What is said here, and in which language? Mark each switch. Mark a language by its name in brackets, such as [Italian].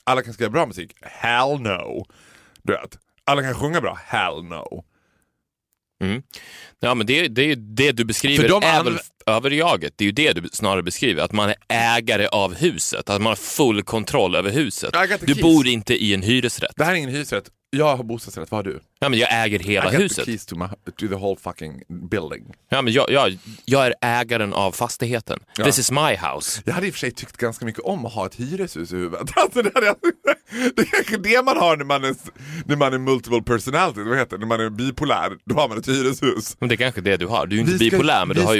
[Swedish] Alla kan skriva bra musik, [English] hell no. [Swedish] Du vet, alla kan sjunga bra, hell no. Mm. Ja, men det du beskriver för de över jaget, det är ju det du snarare beskriver, att man är ägare av huset, att man har full kontroll över huset. Du bor inte i en hyresrätt. Det här är ingen hyresrätt. Jag har bostadsrätt, vad har du? Ja, men jag äger hela huset. [English] I got the keys to the whole fucking building. [Swedish] Ja, men jag är ägaren av fastigheten. [English] Ja. This is my house. [Swedish] Jag hade i och för sig tyckt ganska mycket om att ha ett hyreshus i huvudet. Alltså, det är kanske det man har när man är [English] multiple personality. [Swedish] Vad heter det? När man är bipolär, då har man ett hyreshus. Men det är kanske det du har. Du är inte bipolär, men du har ju...